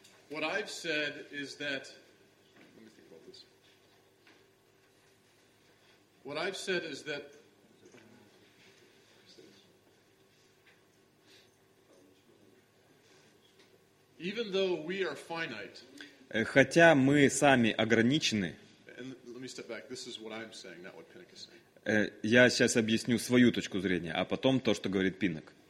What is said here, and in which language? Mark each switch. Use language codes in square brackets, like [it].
[en] What I've said is that, let me think about this. What I've said is that, even though we are finite, [ru] хотя мы сами ограничены, [en] and let me step back. This is what I'm saying, not what Pinnock is saying. [ru] Я сейчас объясню свою точку зрения, а потом то, что говорит Пинок.